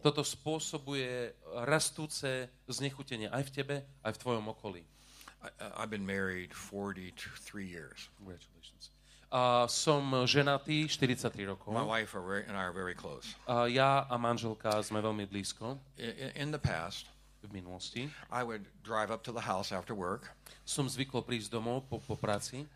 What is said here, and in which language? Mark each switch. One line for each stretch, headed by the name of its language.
Slovak: Toto spôsobuje rastúce znechutenie aj v tebe, aj v tvojom okolí.
English: I've been married 43 years. Congratulations.
Slovak: Som ženatý 43 rokov.
English: My wife and I are very close.
Slovak: Ja a manželka sme veľmi blízko.
English: In the past,
Slovak: v minulosti,
English: I would drive up to the house after work.
Slovak: Som zvykol prísť domov po práci.